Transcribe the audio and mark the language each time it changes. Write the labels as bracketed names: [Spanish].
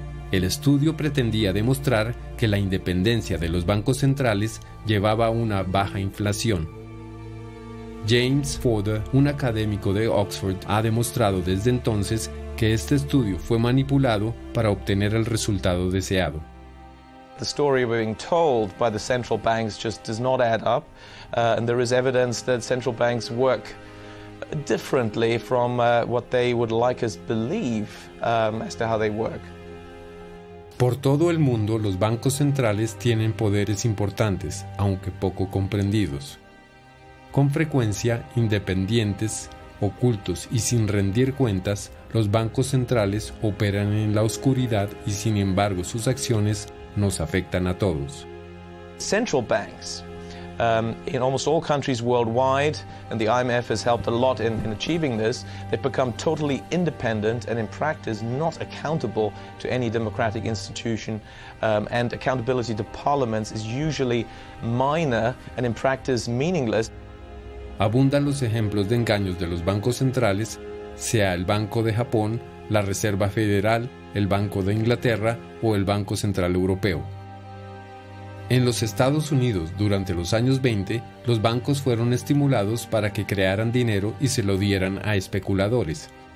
[Spanish] El estudio pretendía demostrar que la independencia de los bancos centrales llevaba a una baja inflación. James Fodor, un académico de Oxford, ha demostrado desde entonces que este estudio fue manipulado para obtener el resultado deseado. [English] The story we're being told by the central banks just does not add up, and there is evidence that central banks work differently from what they would like us believe as to how they work. [Spanish] Por todo el mundo, los bancos centrales tienen poderes importantes, aunque poco comprendidos. Con frecuencia, independientes, ocultos y sin rendir cuentas, los bancos centrales operan en la oscuridad y, sin embargo, sus acciones nos afectan a todos. [English] Central banks in almost all countries worldwide, and the IMF has helped a lot in achieving this, they've become totally independent and in practice not accountable to any democratic institution, and accountability to parliaments is usually minor and in practice meaningless. [Spanish] Abundan los ejemplos de engaños de los bancos centrales, sea el Banco de Japón, la Reserva Federal, el Banco de Inglaterra o el Banco Central Europeo. En los Estados Unidos, durante los años 20, los bancos fueron estimulados para que crearan dinero y se lo dieran a especuladores.